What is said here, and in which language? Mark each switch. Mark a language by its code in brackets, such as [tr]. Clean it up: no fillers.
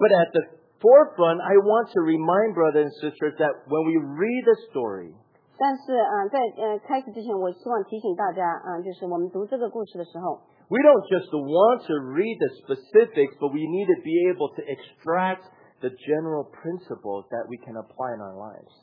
[en] But at the forefront, I want to remind brothers and sisters that when we read the story, [zh] 但是在开始之前我希望提醒大家就是我们读这个故事的时候 [en] We don't just want to read the specifics, but we need to be able to extract the general principles that we can apply in our lives.